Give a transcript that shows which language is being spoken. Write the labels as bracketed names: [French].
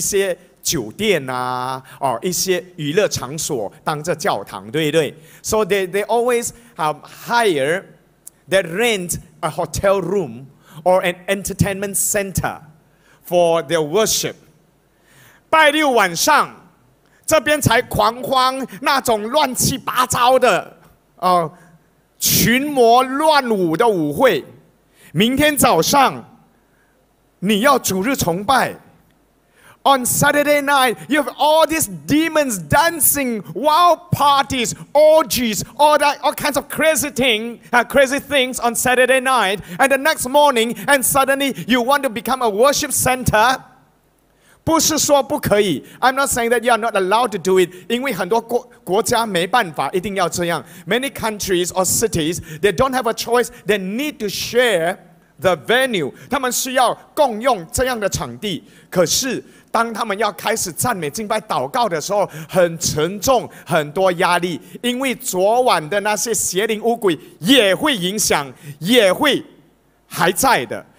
[Chinese] 所以他们常常需要租一些酒店啊, 一些娱乐场所当着教堂, 对不对? [English] So they always hire, they rent a hotel room or an entertainment center for their worship. [Chinese] 拜六晚上, 这边才狂欢, 那种乱七八糟的, 群魔乱舞的舞会, 明天早上, 你要主日崇拜, [English] On Saturday night, you have all these demons dancing, wild parties, orgies, all kinds of crazy things on Saturday night. And the next morning, and suddenly you want to become a worship center. [Chinese] 不是说不可以, [English] I'm not saying that you are not allowed to do it. [Chinese] 因为很多国家没办法一定要这样. [English] Many countries or cities, they don't have a choice. They need to share the venue. [Chinese] 他们需要共用这样的场地.可是 当他们要开始赞美敬拜祷告的时候，很沉重，很多压力，因为昨晚的那些邪灵污鬼也会影响，也会还在的。